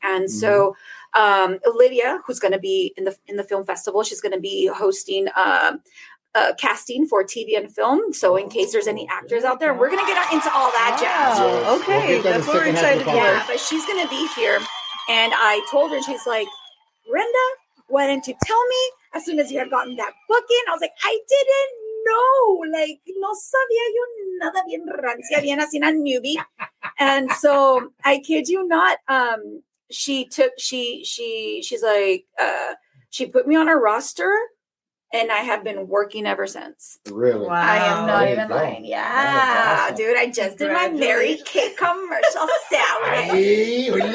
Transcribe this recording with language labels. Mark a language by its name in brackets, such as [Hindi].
[English] And mm-hmm. so Lydia, who's going to be in the film festival, she's going to be hosting a casting for TV and film. So in case there's any actors out there, we're going to get into all that jazz. Yeah. Okay. That's what we're excited about. Yeah, but she's going to be here. And I told her, and she's like, Brenda, why didn't you tell me as soon as you had gotten that booking? I was like, I didn't. [Spanish] No, like, no sabía yo nada bien rancia, bien así una newbie. [English] And so, I kid you not, she put me on a roster, and I have been working ever since. Really? Wow. I am not even lying. Yeah. Awesome. Dude, I just did my Mary Kay commercial salary.